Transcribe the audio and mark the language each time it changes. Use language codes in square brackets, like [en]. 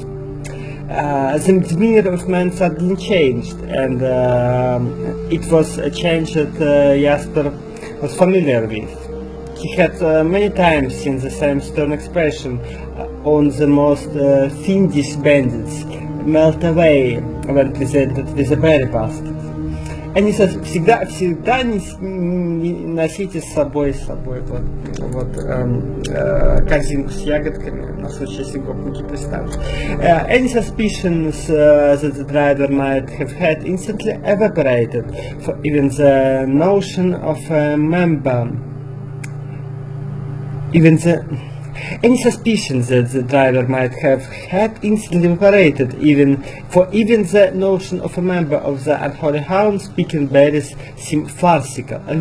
[en] The demeanor of man suddenly changed, and it was a change that Jesper was familiar with. He had many times seen the same stern expression on the most fiendish bandits melt away when presented with a berry basket. [ru] Они всегда носите с собой, корзинку с ягодками, на случай, если гопники пристанут. [en] Any suspicions that the driver might have had instantly evaporated, for even the notion of a member. Any suspicions that the driver might have had instantly evaporated, even the notion of a member of the Unholy Hounds picking berries seemed farcical.